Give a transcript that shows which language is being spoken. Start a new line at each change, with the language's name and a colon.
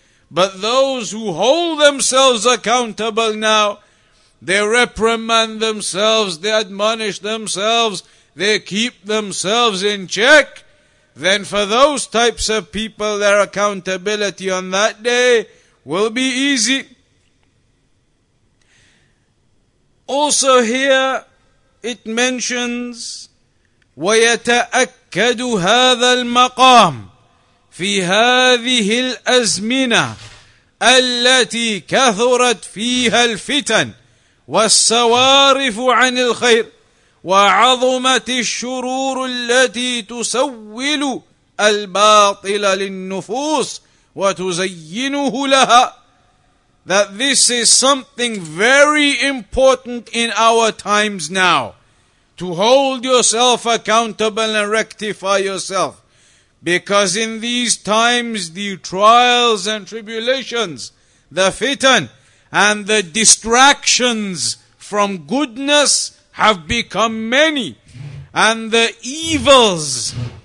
English: But those who hold themselves accountable now, they reprimand themselves, they admonish themselves, they keep themselves in check, then for those types of people, their accountability on that day will be easy. Also here, it mentions,
Arabic: ويتأكد هذا المقام في هذه الأزمنة التي كثرت فيها الفتن والسوارف عن الخير وعظمت الشرور التي تسول الباطل للنفوس وتزينه لها.
English: That this is something very important in our times now. To hold yourself accountable and rectify yourself. Because in these times, the trials and tribulations, the fitan and the distractions from goodness have become many. And the evils